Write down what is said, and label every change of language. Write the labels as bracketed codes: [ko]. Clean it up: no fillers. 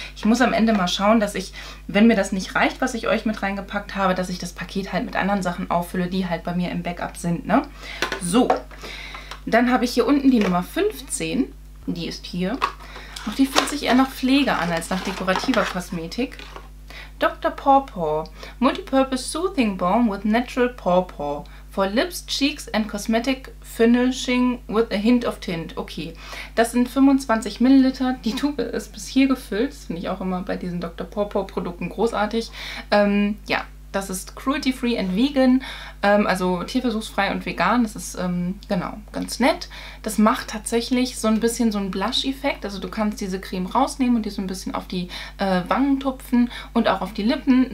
[de] Ich muss am Ende mal schauen, dass ich, wenn mir das nicht reicht, was ich euch mit reingepackt habe, dass ich das Paket halt mit anderen Sachen auffülle, die halt bei mir im Backup sind, ne? So, dann habe ich hier unten die Nummer 15, die ist hier. Auch die fühlt sich eher nach Pflege an als nach dekorativer Kosmetik. [en] Dr. Pawpaw, Multipurpose Soothing Balm with Natural Pawpaw. For Lips, Cheeks and Cosmetic Finishing with a Hint of Tint. [de] Okay, das sind 25 Milliliter. Die Tube ist bis hier gefüllt. Das finde ich auch immer bei diesen Dr. Pawpaw Produkten großartig. Ja, das ist [en] cruelty-free and vegan. [de] Also tierversuchsfrei und vegan. Das ist, genau, ganz nett. Das macht tatsächlich so ein bisschen so einen Blush-Effekt. Also du kannst diese Creme rausnehmen und die so ein bisschen auf die Wangen tupfen und auch auf die Lippen.